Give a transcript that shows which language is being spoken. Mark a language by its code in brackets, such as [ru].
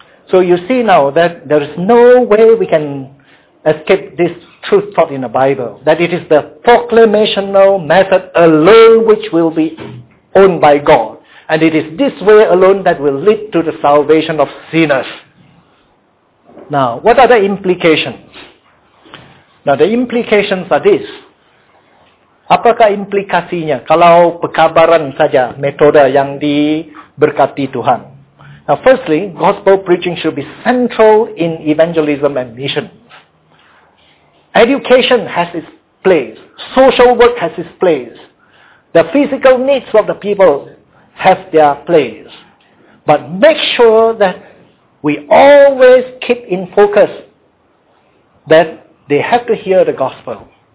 [en] So you see now that there is no way we can escape this truth taught in the Bible, that it is the proclamational method alone which will be owned by God. And it is this way alone that will lead to the salvation of sinners. Now, what are the implications? Now, the implications are this. [ms] Apakah implikasinya kalau pekabaran saja metode yang diberkati Tuhan? [en] Now firstly, gospel preaching should be central in evangelism and mission. Education has its place. Social work has its place. The physical needs of the people have their place. But make sure that we always keep in focus that they have to hear the gospel.